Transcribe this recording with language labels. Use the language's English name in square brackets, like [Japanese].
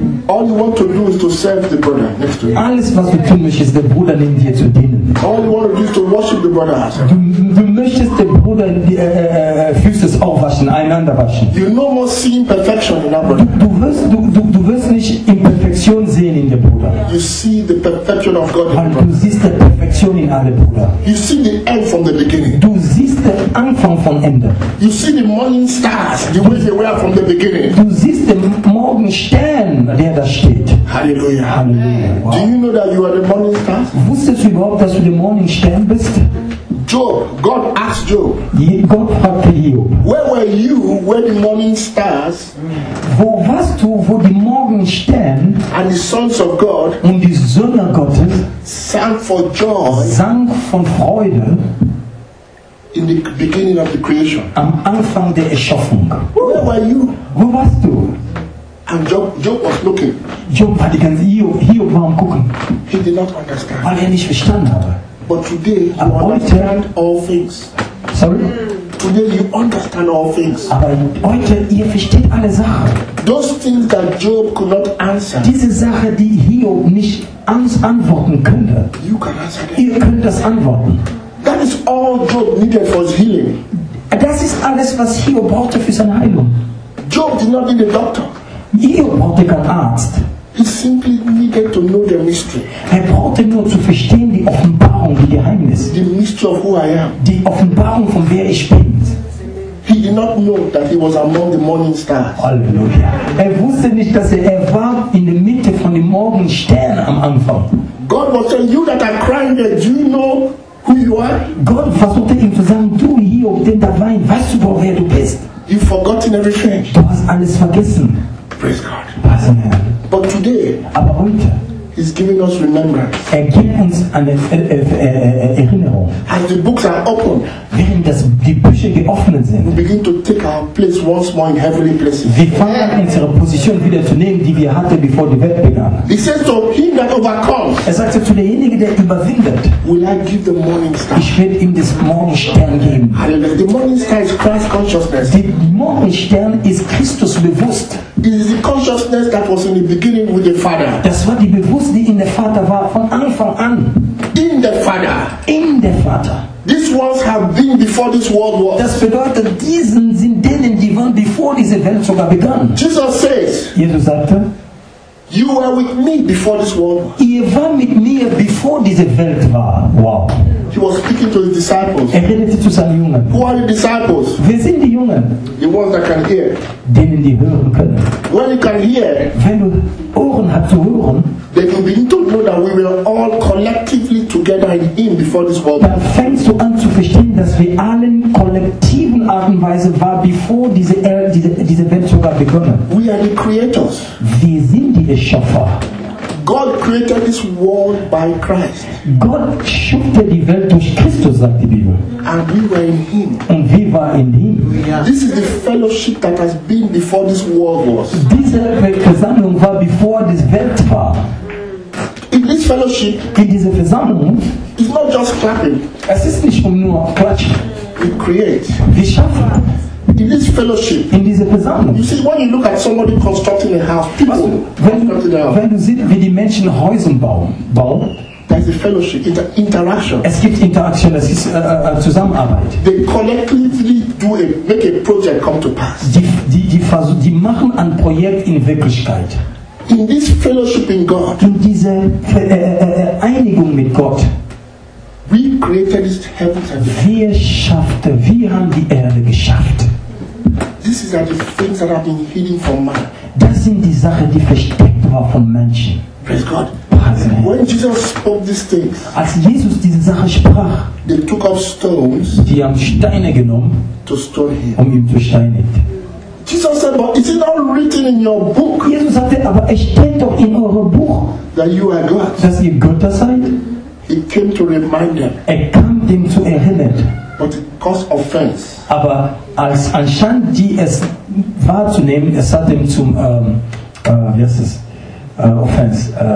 [English] All you want to do is to serve the brother next to you. [German] Alles was du tun möchtest, der Bruder neben dir zu dienen. [English] All you want to do is to worship the brother. [German] Du möchtest den Bruder Füße aufwaschen, einander waschen. [English] You no more see imperfection in that brother. [German] Du wirst nicht Imperfektion sehen in dem Bruder. [English] You see the perfection of God in [German] him. Du siehst die Perfektion in allen Brüdern. [English] You see the end from the beginning. [German] Du siehst den Anfang vom Ende. [English] You see the morning stars, the way they were from the beginning. [German] Du siehst den Morgenstern. Der da steht. [English] Halleluja. [German] Halleluja. [English] Wow. Do you know that you are the morning star? [German] Wusstest du überhaupt, dass du der Morgenstern bist? [English] Job, God asked Job. [German] Gott fragte Job. [English] Where were you when the morning stars? [German] Wo warst du, wo die Morgenstern? [English] And the sons of God. [German] Und die Söhne Gottes. [English] Sang for joy. [German] Sang von Freude. [English] In the beginning of the creation. [German] Am Anfang der Erschaffung. [English] Where were you? [German] Wo warst du? [English] And Job was looking. [German] Job hat die ganze Hiob war am gucken. [English] He did not understand. [German] Weil nicht verstanden habe. [English] But today you understand all things. Sorry? Today you understand all things. [German] Aber heute ihr versteht alle Sachen. [English] Those things that Job could not answer. [German] Diese Sache, die Hiob nicht antworten könnte. [English] You can answer [German] them. Ihr könnt das antworten. [English] That is all Job needed for his healing. [German] Das ist alles, was Hiob brauchte für seine Heilung. [English] Job did not need a doctor. [German] Hiob brauchte keinen Arzt. [English] He simply needed to know the mystery. [German] Er brauchte nur zu verstehen die Offenbarung, die Geheimnis. [English] The mystery of who I am. [German] Die Offenbarung von wer ich bin. [English] He did not know that he was among the morning stars. Halleluja. [German] Er wusste nicht, dass er war in der Mitte von dem Morgenstern am Anfang. [English] God was saying, you that are crying there, do you know who you are? [German] Gott versuchte ihm zu sagen, du Hiob, den da weint, weißt du, wer du bist? [English] You've forgotten everything. [German] Du hast alles vergessen. [English] Praise God. But today, [German] aber heute, [English] he's giving us remembrance. [German] Er gibt uns eine Erinnerung. [English] As the books are open, [German] während die Bücher geöffnet sind, [English] we begin to take our place once more in heavenly places. [German] Wir fangen an, unsere Position wieder zu nehmen, die wir hatten, bevor die Welt begann. [English] He says to him that overcomes. [German] Er sagte zu demjenigen, der überwindet. [English] Will I give the morning star? [German] Ich werde ihm das Morgenstern geben. [English] Hallelujah. The morning star is Christ consciousness. [German] Die Morgenstern ist Christus bewusst. [English] It is the consciousness that was in the beginning with the Father. [German] Das war die Bewusst, die in der Vater war von Anfang an. [English] In the Father. [German] In der Vater. [English] These ones have been before this world was. [German] Das bedeutet, diesen sind denen, die waren, bevor diese Welt sogar begann. [English] Jesus says. [German] Jesus sagte. [English] You were with me before this world. [German] Ihr war mit mir, bevor diese Welt war. [English] Wow. He was speaking to his disciples. [German] Er redete zu seinen Jungen. [English] Who are the disciples? [German] Wer sind die Jungen? [English] The ones that can hear. [German] Denen, die hören können. [English] When you can hear. [German] Wenn du Ohren hast zu hören. [English] Then you begin to know that we were all collectively together in him before this world. [German] Dann fängst du an zu verstehen, dass wir allen kollektiven Art und Weise war, bevor diese Welt sogar begonnen. [English] We are the creators. [German] Wir sind die Erschaffer. [English] God created this world by Christ. [German] Gott schuf die Welt durch Christus, sagt die Bibel. [English] And we were in him. [German] Und wir waren in ihm. [English] This is the fellowship that has been before this world was. [German] Diese Versammlung war bevor die Welt war. [English] In this fellowship, [German] in dieser Versammlung, [English] it's not just clapping. [German] Es ist nicht nur klatschen. [English] We create. [German] Wir schaffen. [English] In this fellowship, [German] in dieser Versammlung. [English] You see, when you look at somebody constructing a house, people, [German] wenn du siehst, wie die Menschen Häuser bauen, [English] There is a fellowship, interaction. [German] Es gibt Interaktion, es ist Zusammenarbeit. [English] They collectively do a, make a project come to pass. [German] Die machen ein Projekt in Wirklichkeit. [English] In this fellowship in God. [German] In dieser Einigung mit Gott. [English] We created this heaven and earth. [German] Wir haben die Erde geschafft. [English] These are the things that have been hidden from man. [German] Das sind die Sachen, die versteckt waren von Menschen. [English] Praise God. When Jesus spoke these things, [German] als Jesus diese Sache sprach, [English] they took up stones, [German] die haben Steine genommen, [English] to stone him. [German] Um ihn zu steinigen. [English] Jesus said, but is it not written in your book? [German] Jesus sagte, aber es steht doch in eurem Buch, [English] that you are God. [German] Dass ihr Götter seid. [English] He came to remind them. [German] Er kam dem zu erinnern. [English] But it caused offense. [German] Aber als anscheinend die es wahrzunehmen, es hat ihm zum offense.